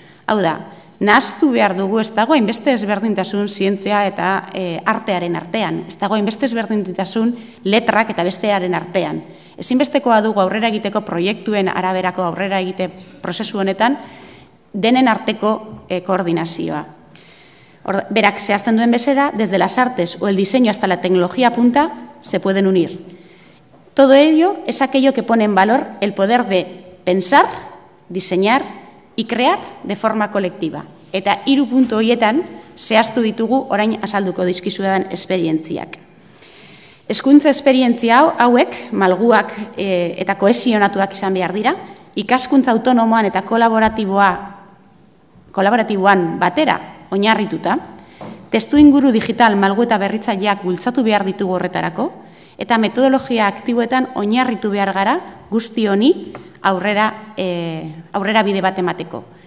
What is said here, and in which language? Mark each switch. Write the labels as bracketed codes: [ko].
[eu] Hau da, nahaztu behar dugu ez dago hainbeste ezberdintasun zientzia eta artearen artean. Ez dago hainbeste ezberdintasun letrak eta bestearen artean. Ezinbestekoa dugu aurrera egiteko proiektuen araberako aurrera egite prozesu honetan, denen arteko koordinazioa. Berak zehazten duen bezera, [es] desde las artes o el diseño hasta la tecnología punta, se pueden unir. Todo ello es aquello que pone en valor el poder de pensar, diseñar y crear de forma colectiva. [eu] Eta hiru puntu horietan zehaztu ditugu orain azalduko dizkizuedan esperientziak. Hezkuntza esperientzia hauek, malguak eta kohesionatuak izan behar dira, ikaskuntza autonomoan eta kolaboratiboan batera oinarrituta, testu inguru digital malgu eta berritzaileak bultzatu behar ditugu horretarako, eta metodologia aktiboetan oinarritu behar gara guzti honi aurrera bide bat emateko.